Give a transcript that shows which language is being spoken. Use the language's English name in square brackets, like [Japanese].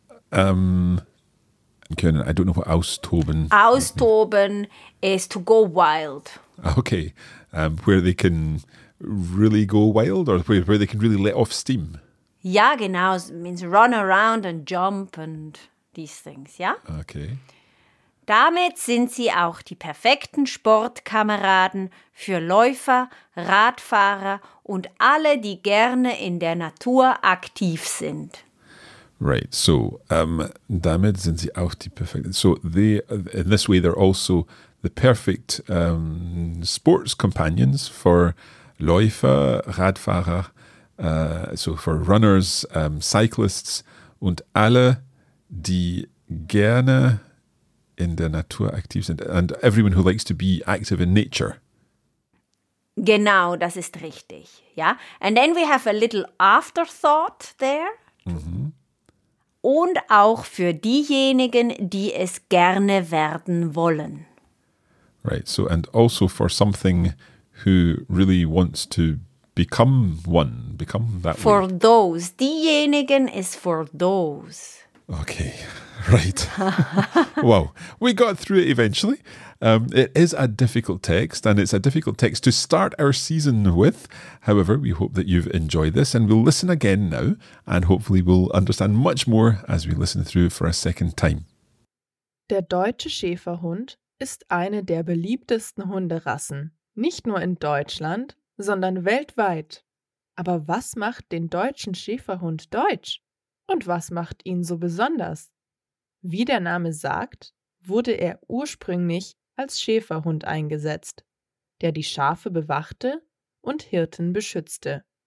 [German] Können, [English] I don't know what austoben. Austoben is to go wild. Okay, where they can really go wild or where they can really let off steam. [German] Ja, genau. [English] It means run around and jump and these things, ja? Okay. [German] Damit sind sie auch die perfekten Sportkameraden für Läufer, Radfahrer und alle, die gerne in der Natur aktiv sind. [English] Right, so [German] damit sind sie auch die perfekten. [English] So they, in this way they're also the perfect sports companions for [German] Läufer, Radfahrer, [English] so for runners, cyclists, [German] Und alle, die gerne in der Natur aktiv sind. [English] And everyone who likes to be active in nature. [German] Genau, das ist richtig. Ja? [English] And then we have a little afterthought there. Mm-hmm. [German] Und auch für diejenigen, die es gerne werden wollen. [English] Right, so and also for something who really wants to become one, become that for way. Those. Diejenigen is for those. Okay, right. Wow, we got through it eventually. It is a difficult text, and it's a difficult text to start our season with. However, we hope that you've enjoyed this, and we'll listen again now, and hopefully we'll understand much more as we listen through for a second time. [German] Der deutsche Schäferhund ist eine der beliebtesten Hunderassen, nicht nur in Deutschland, sondern weltweit. Aber was macht den deutschen Schäferhund deutsch? Und was macht ihn so besonders? Wie der Name sagt, wurde er ursprünglich als Schäferhund eingesetzt, der die Schafe bewachte und Hirten beschützte.